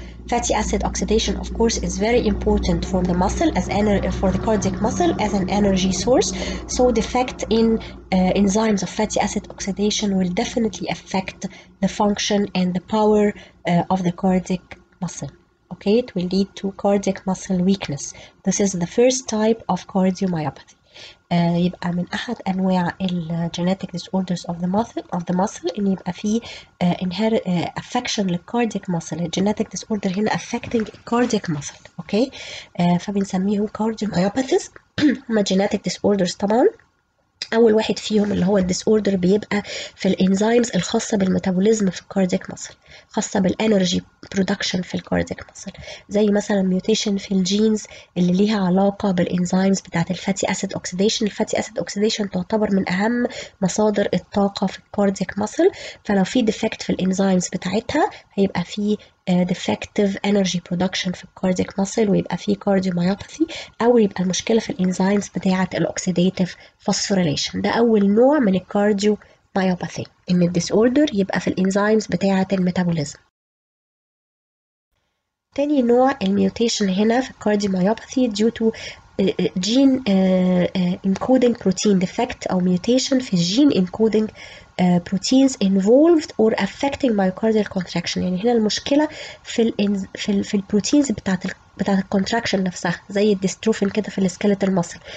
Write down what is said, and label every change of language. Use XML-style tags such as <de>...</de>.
<en>Fatty acid oxidation, of course, is very important for the muscle as for the cardiac muscle as an energy source. So defect in enzymes of fatty acid oxidation will definitely affect the function and the power of the cardiac muscle. Okay, it will lead to cardiac muscle weakness. This is the first type of cardiomyopathy.</en> <ar>يبقى من أحد أنواع ال genetic disorders of the muscle إن يبقى في affection للcardiac muscle. ال genetic disorder هنا affecting cardiac muscle. Okay, فبنسميه cardiomyopathies. هما genetic disorders طبعاً. أول واحد فيهم اللي هو الديسوردر بيبقى في الإنزيمز الخاصة بالميتابوليزم في الكارديك مصل، خاصة بالإنرجي برودكشن في الكارديك مصل، زي مثلا ميوتيشن في الجينز اللي ليها علاقة بالإنزيمز بتاعت الفاتي أسيد أوكسيديشن. الفاتي أسيد أوكسيديشن تعتبر من أهم مصادر الطاقة في الكارديك مصل، فلو في ديفكت في الإنزيمز بتاعتها هيبقى في defective energy production في cardiac muscle ويبقى فيه cardiomyopathy أو يبقى المشكلة في الإنزيمز بتاعة الأوكسيديتف phosphorylation. ده أول نوع من cardiomyopathy، إن الديسوردر يبقى في الإنزيمز بتاعة الميتابوليزم. تاني نوع الميوتيشن هنا في cardiomyopathy due to gene encoding protein defect أو mutation في gene encoding proteins involved or affecting myocardial contraction. يعني هنا المشكلة في البروتينز بتاعت الكونتراكشن نفسها، زي الديستروفين كده في السكلت المصل.</ar>